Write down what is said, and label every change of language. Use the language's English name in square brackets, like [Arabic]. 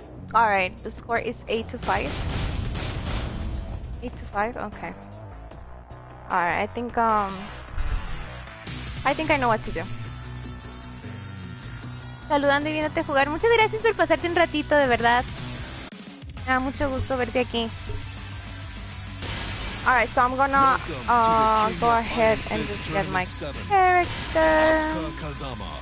[English] Alright, the score is 8 to 5. 8 to 5? Okay. Alright, I think I know what to do. [Spanish] Saludando y viéndote jugar. Muchas gracias por pasarte un ratito, de verdad. Me da mucho gusto verte aquí. [English] Alright, so I'm gonna go ahead and just get my character.